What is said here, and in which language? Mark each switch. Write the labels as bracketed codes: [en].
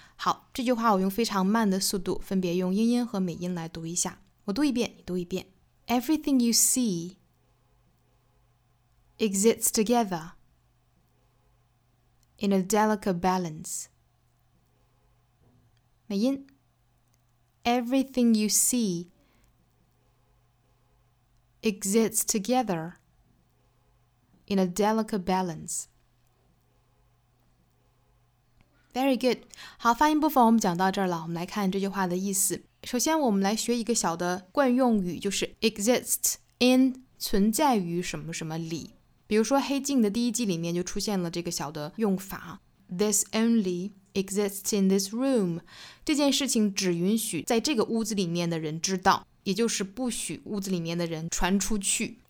[zh] 好，这句话我用非常慢的速度，分别用英音和美音来读一下。我读一遍，你读一遍。 [en] Everything you see exists together in a delicate balance. [zh] 美音。 [en] Everything you see exists together in a delicate balance. Very good. [zh] 好，发音部分我们讲到这儿了，我们来看这句话的意思。首先我们来学一个小的惯用语，就是 [en] exist in [zh] 存在于什么什么里。比如说黑镜的第一季里面就出现了这个小的用法， [en] This only exists in this room， [zh] 这件事情只允许在这个屋子里面的人知道，也就是不许屋子里面的人传出去。